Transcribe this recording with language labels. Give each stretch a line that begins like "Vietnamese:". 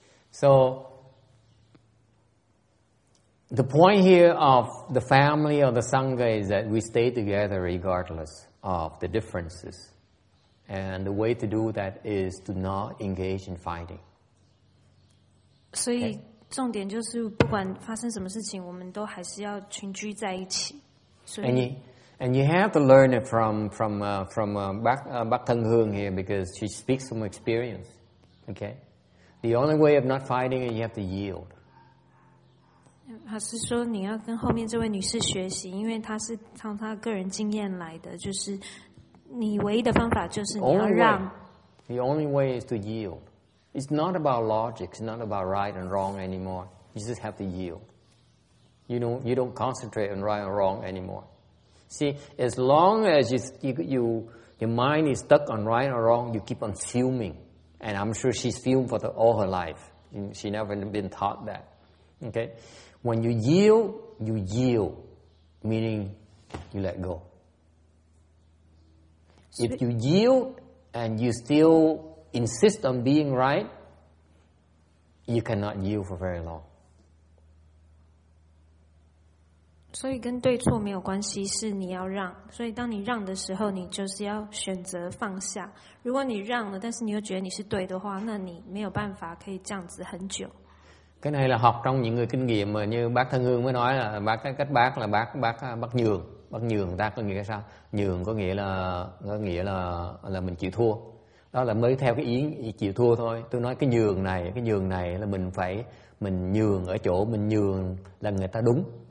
English: So the point here of the family or the sangha is that we stay together regardless of the differences, and the way to do that is to not engage in fighting.
Chinese: 所以。重点就是不管发生什么事情，我们都还是要群居在一起。
English: And you have to learn it from Bác Thân Hương here because she speaks from experience. Okay, the only way of not fighting is you have to yield.
Chinese: 老师说你要跟后面这位女士学习，因为她是从她个人经验来的，就是你唯一的方法就是你要让。
English: The only way is to yield. It's not about logic. It's not about right and wrong anymore. You just have to yield. You know, you don't concentrate on right or wrong anymore. See, as long as your mind is stuck on right or wrong, you keep on fuming. And I'm sure she's fumed all her life. She never been taught that. Okay? When you yield, meaning you let go. If you yield and you still... insist on being right, you cannot yield for very long.
Chinese: 所以跟对错没有关系，是你要让。所以当你让的时候，你就是要选择放下。如果你让了，但是你又觉得你是对的话，那你没有办法可以这样子很久。
Vietnamese: Cái này là học trong những người kinh nghiệm mà như bác Thân Hương mới nói là bác cách bác là bác nhường. Bác nhường ta có nghĩa sao? Nhường có nghĩa là mình chịu thua. Đó là mới theo cái ý chịu thua thôi. Tôi nói cái nhường này là mình nhường ở chỗ mình nhường là người ta đúng.